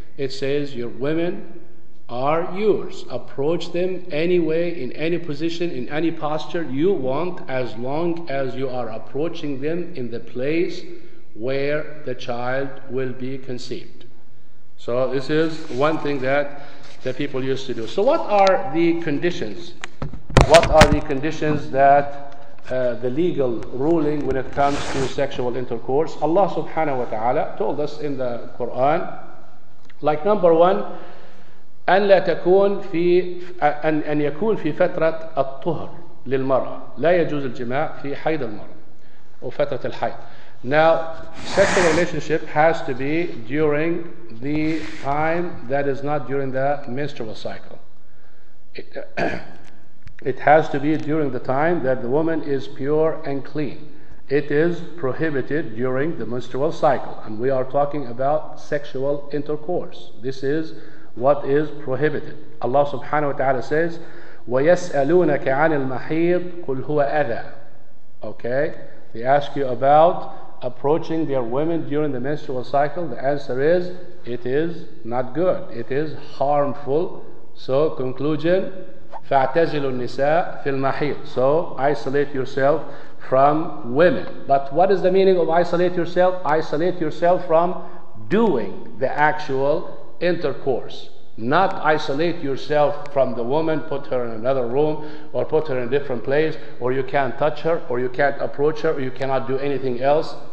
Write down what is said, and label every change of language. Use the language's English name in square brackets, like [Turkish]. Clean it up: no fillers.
[English] It says, your women are yours. Approach them any way, in any position, in any posture you want, as long as you are approaching them in the place where the child will be conceived. So this is one thing that the people used to do. So what are the conditions? What are the conditions that the legal ruling when it comes to sexual intercourse? Allah subhanahu wa ta'ala told us in the Quran, like number one, [Arabic] أن لا تكون في أن يكون في فترة الطهر للمرأة لا يجوز الجماع في حيض المرأة أو فترة الحيض. [English] Now, sexual relationship has to be during the time that is not during the menstrual cycle. it has to be during the time that the woman is pure and clean. It is prohibited during the menstrual cycle, and we are talking about sexual intercourse. This is what is prohibited. Allah subhanahu wa ta'ala says, [Arabic] وَيَسْأَلُونَكَ عَنِ الْمَحِيضِ قُلْ هُوَ أَذَى. [English] Okay, they ask you about approaching their women during the menstrual cycle. The answer is, it is not good. It is harmful. So conclusion, [Arabic] فَاعْتَزِلُوا النِّسَاءَ فِي الْمَحِيضِ. [English] So isolate yourself from women. But what is the meaning of isolate yourself? Isolate yourself from doing the actual intercourse. Not isolate yourself from the woman, put her in another room or put her in a different place, or you can't touch her or you can't approach her or you cannot do anything else.